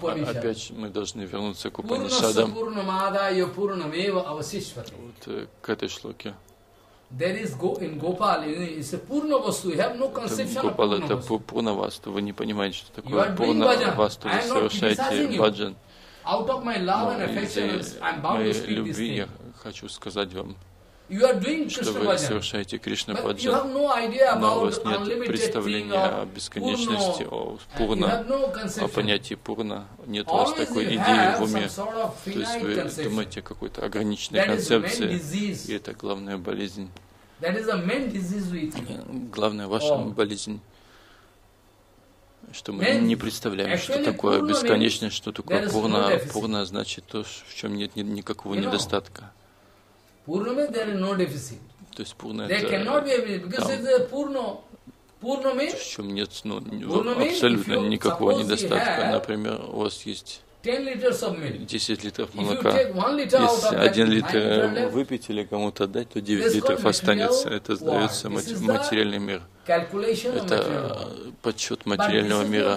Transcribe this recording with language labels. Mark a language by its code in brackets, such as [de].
[ru] Опять же, мы должны вернуться к Упанишадам. Вот к этой шлоке. [en] There is in Gopal. It's a purna vastu. You have no conception of purna. [ru] Вы не понимаете, что такое пурна васту. Вы совершаете баджан. [en] Out of my love and affection, I'm bound to speak this thing. [ru] Я хочу сказать вам, что вы совершаете Кришна Баджан, но у вас нет представления о бесконечности, о пурна, о понятии пурна. Нет у вас такой идеи в уме. То есть вы думаете о какой-то ограниченной концепции, и это главная болезнь. [en] That is the main disease we think. [ru] Главная ваша болезнь, что мы не представляем, что такое бесконечное, что такое пурна. Пурна значит то, в чем нет никакого недостатка. [en] Пурна means there is no deficit. [ru] То есть пурна это... [en] There cannot be a deficit, because it's a пурна. Пурна means... [ru] В чем нет абсолютно никакого недостатка. Например, у вас есть... 10 литров молока. Если 1 литр выпить или кому-то отдать, то 9 литров останется. Это сдается материальный мир. Это подсчет материального мира.